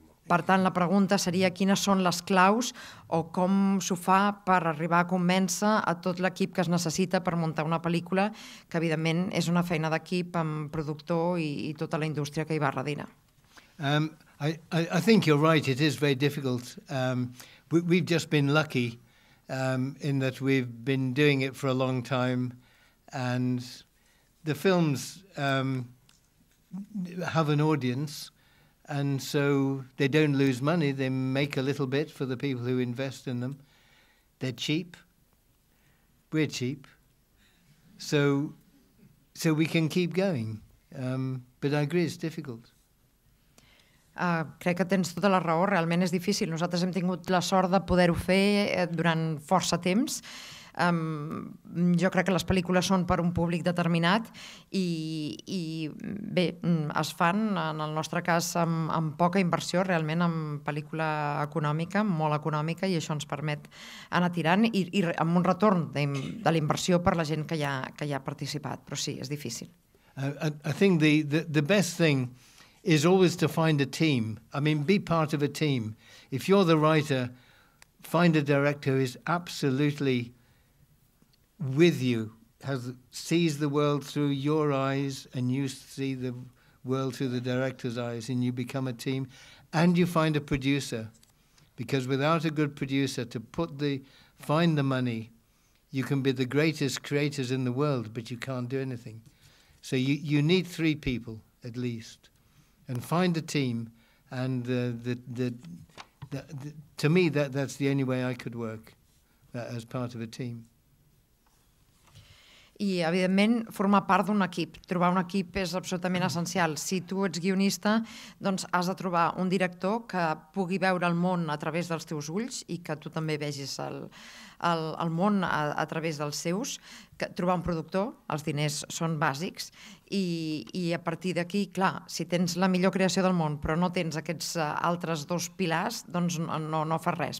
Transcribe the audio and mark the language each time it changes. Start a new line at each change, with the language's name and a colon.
Catalan: Per tant, la pregunta seria quines són les claus o com s'ho fa per arribar a convèncer a tot l'equip que es necessita per muntar una pel·lícula, que evidentment és una feina d'equip amb productor i tota la indústria que hi va darrere.
English: I think you're right, it is very difficult. We've just been lucky in that we've been doing it for a long time and the films have an audience. And so they don't lose money. They make a little bit for the people who invest in them. They're cheap. We're cheap. So we can keep going. But I agree, it's difficult.
Catalan: Crec que tens tota la raó. Realment és difícil. Nosaltres hem tingut la sort de poder-ho fer durant força temps. Jo crec que les pel·lícules són per un públic determinat i bé, es fan en el nostre cas amb poca inversió, realment amb pel·lícula econòmica, molt econòmica, i això ens permet anar tirant i amb un retorn de la inversió per la gent que hi ha participat, però sí, és difícil.
English: I think the best thing is always to find a team. I mean, be part of a team. If you're the writer, find a director who is absolutely with you, sees the world through your eyes and you see the world through the director's eyes and you become a team and you find a producer, because without a good producer to find the money, you can be the greatest creators in the world, but you can't do anything. So you need 3 people at least, and find a team, and to me that's the only way I could work as part of a team.
Catalan: I, evidentment, formar part d'un equip. Trobar un equip és absolutament essencial. Si tu ets guionista, doncs has de trobar un director que pugui veure el món a través dels teus ulls i que tu també vegis el món a través dels seus, que trobar un productor, els diners són bàsics, i a partir d'aquí, clar, si tens la millor creació del món però no tens aquests altres dos pilars, doncs no fas res.